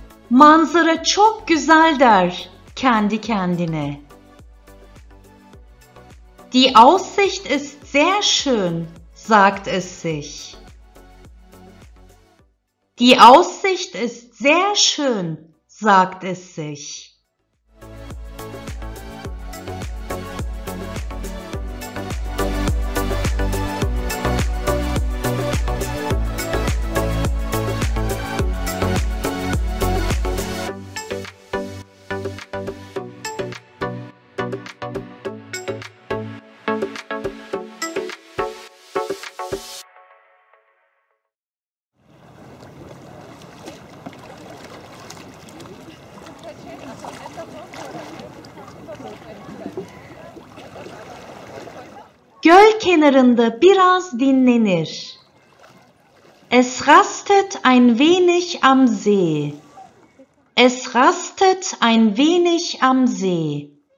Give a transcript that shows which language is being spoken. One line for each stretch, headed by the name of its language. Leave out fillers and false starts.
Turkish: Manzara çok güzel der kendi kendine.
German: Die Aussicht ist sehr schön, sagt es sich. Die Aussicht ist sehr schön, sagt es sich.
Turkish: Göl kenarında biraz dinlenir.
German: Es rastet ein wenig am See. Es rastet ein wenig am See.